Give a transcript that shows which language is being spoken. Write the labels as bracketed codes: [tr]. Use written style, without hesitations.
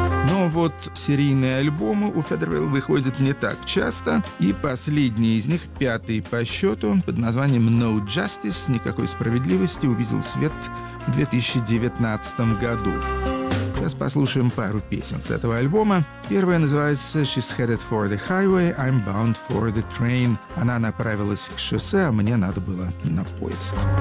[ru] Но вот серийные альбомы у Федервилл выходят не так часто, и последний из них, пятый по счету, под названием «No Justice», «Никакой справедливости», увидел свет в 2019 году. Сейчас послушаем пару песен с этого альбома. Первая называется [en] «She's headed for the highway, I'm bound for the train». [ru] Она направилась к шоссе, а мне надо было на поезд.